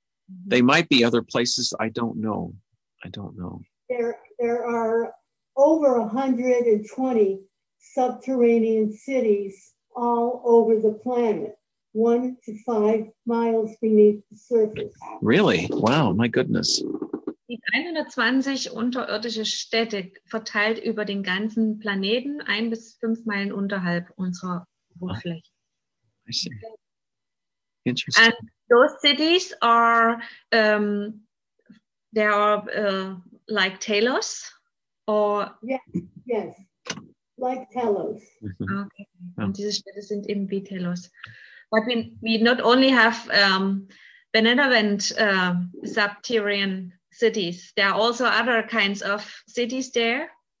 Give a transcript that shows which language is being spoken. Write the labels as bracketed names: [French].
[English] Mm-hmm. They might be other places. I don't know. There are over 120 subterranean cities all over the planet, 1 to 5 miles beneath the surface. Really? Wow, my goodness. [German] 120 unterirdische Städte verteilt über den ganzen Planeten, 1 bis 5 Meilen unterhalb unserer. [English] Oh, I see. Interesting. And those cities are, they are like Telos, or? Yes, like Telos. [German] Mm-hmm. Okay, diese Städte sind eben wie Telos. [English] But we not only have Benevent subterranean cities, there are also other kinds of cities there.